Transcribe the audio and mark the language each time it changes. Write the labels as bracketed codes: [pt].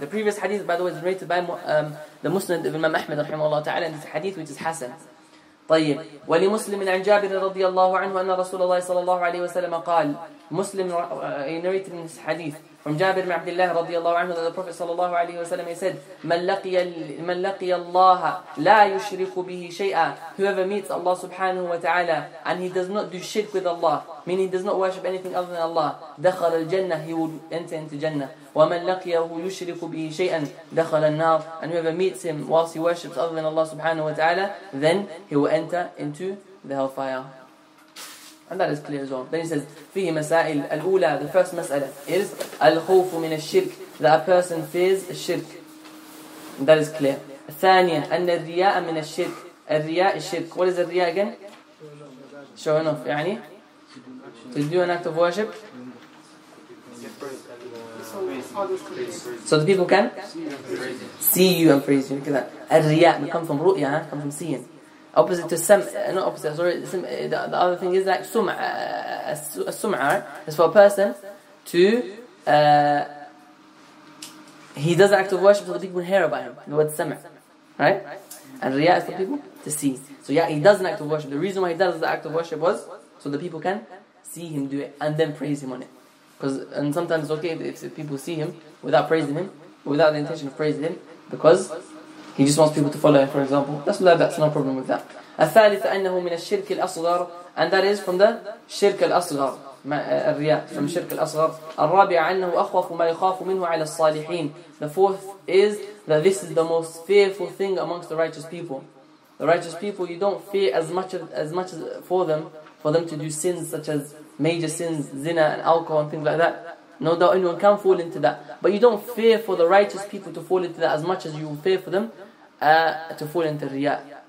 [en] The previous hadith, by the way, is narrated by the Muslim of Imam Ahmed رحمه الله تعالى, and it's a hadith which is Hassan. [ar] طيب. ولمسلم عن جابر رضي الله عنه أن رسول الله صلى الله عليه وسلم قال. [en] Muslim narrated in this hadith from Jabir ibn Abdullah رضي الله عنه that the Prophet صلى الله عليه وسلم said, من لقي الله لا يشرك به شيئا. Whoever meets Allah سبحانه وتعالى and he does not do shirk with Allah, meaning he does not worship anything other than Allah, دخل الجنة, he will enter into Jannah. [ar] ومن لقيه يشرك به شيئا دخل النار. [en] And whoever meets him whilst he worships other than Allah سبحانه وتعالى, then he will enter into the hellfire. And that is clear as well. Then he says, فيه مسائل الأولى, the first مسألة is الخوف من الشرك, that a person fears الشرك. And that is clear. [ar] الثانية أن الرياء من الشرك, الرياء الشرك. [en] What is الرياء again? Showing off, يعني to do an act of worship so the people can see you and praise you. Look at that. الرياء come from رؤية, come from seeing. Opposite to sam, not opposite, sorry, the other thing is like sum'a, is for a person to, he does an act of worship so the people hear about him, the word sam'a, right? And riya is for people to see. So yeah, he does an act of worship. The reason why he does the act of worship was so the people can see him do it and then praise him on it. Because, and sometimes it's okay if people see him without praising him, without the intention of praising him, because he just wants people to follow him, for example. That's no problem with that. [ar] الثالث أنه من الشرك الأصغر, and that is from the شرك الأصغر, الرياء, from شرك الأصغر. الرابع أنه أخوف ما يخاف منه على الصالحين. [en] The fourth is that this is the most fearful thing amongst the righteous people. The righteous people, you don't fear as much as for them to do sins such as major sins, zina and alcohol and things like that. No doubt anyone can fall into that. But you don't fear for the righteous people to fall into that as much as you fear for them to fall into riya.